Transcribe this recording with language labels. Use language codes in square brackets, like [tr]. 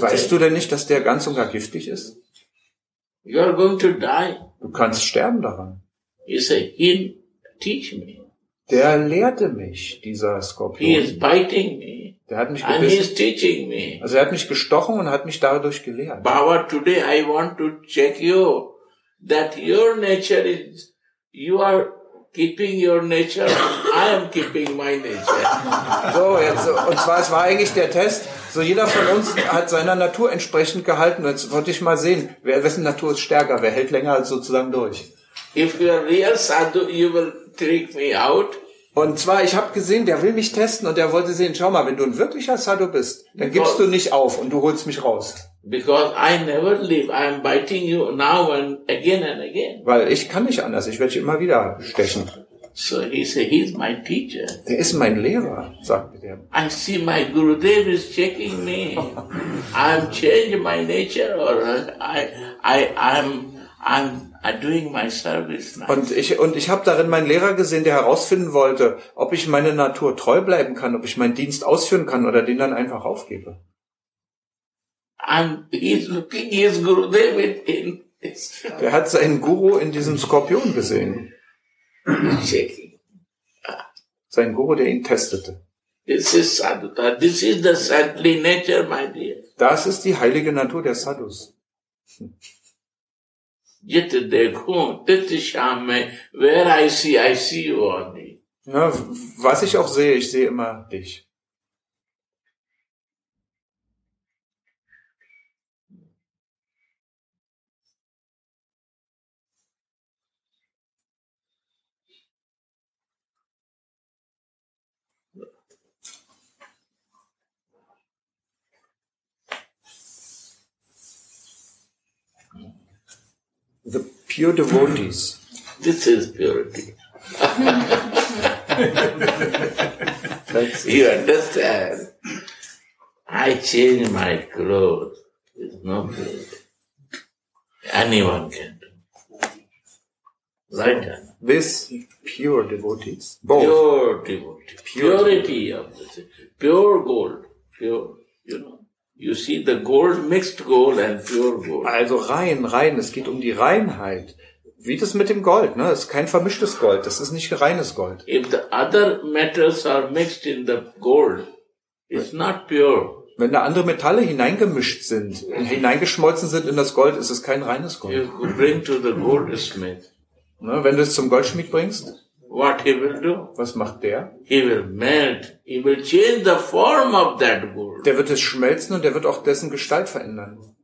[de] Weißt du denn nicht, dass der ganz und gar giftig ist? [en] You are going to die. [de] Du kannst sterben daran. [en] You say, he teach me. [de] Der lehrte mich, dieser Skorpion. [en] He is biting me. [de] Der hat mich gebissen. [en] And he is teaching me. [de] Also er hat mich gestochen und hat mich dadurch gelehrt. [en] Baba, today I want to check you that your nature is you are keeping your nature, I am keeping my nature. [de] So, jetzt, und zwar, es war eigentlich der Test. So, jeder von uns hat seiner Natur entsprechend gehalten. Jetzt wollte ich mal sehen, wessen Natur ist stärker, wer hält länger als sozusagen durch. [en] If you are real sadhu, you will trick me out. [de] Und zwar, ich habe gesehen, der will mich testen und der wollte sehen, schau mal, wenn du ein wirklicher sadhu bist, dann gibst du nicht auf und du holst mich raus. [en] Because I never leave. I am biting you now and again and again. [de] Weil ich kann nicht anders. Ich werde dich immer wieder stechen. [en] So he said, he's my teacher. [de] Der ist mein Lehrer, sagte der. [en] I see my Gurudev is checking me. I'm changing my nature or I'm doing my service now. [de] Und ich habe darin meinen Lehrer gesehen, der herausfinden wollte, ob ich meiner Natur treu bleiben kann, ob ich meinen Dienst ausführen kann oder den dann einfach aufgebe. [en] And he's looking his Gurudev in his. [de] Der hat seinen Guru in diesem Skorpion gesehen. [en] Checking. [de] Sein Guru, der ihn testete. [en] This is sadhuta. This is the saintly nature, my dear. [de] Das ist die heilige Natur der Sadhus. [hi] Yet dekho, [en] tit shame, where I see you only. [de] Na, was ich auch sehe, ich sehe immer dich. [en] The pure devotees. This is purity. You understand? I change my clothes. It's not good. Anyone can do. Right? This pure devotees. Both. Pure devotees. Purity of this. Pure gold. Pure, you know. You see the gold, mixed gold and pure gold. [de] Also rein, rein. Es geht um die Reinheit. Wie das mit dem Gold, ne? Es ist kein vermischtes Gold. Das ist nicht reines Gold. [en] If the other metals are mixed in the gold, it's not pure. [de] Wenn da andere Metalle hineingemischt sind, hineingeschmolzen sind in das Gold, ist es kein reines Gold. [en] You could bring to the goldsmith. [de] Ne? Wenn du es zum Goldschmied bringst, [en] what he will do? [de] Was macht der? [en] He will melt. He will change the form of that gold. [de] Der wird es schmelzen und der wird auch dessen Gestalt verändern.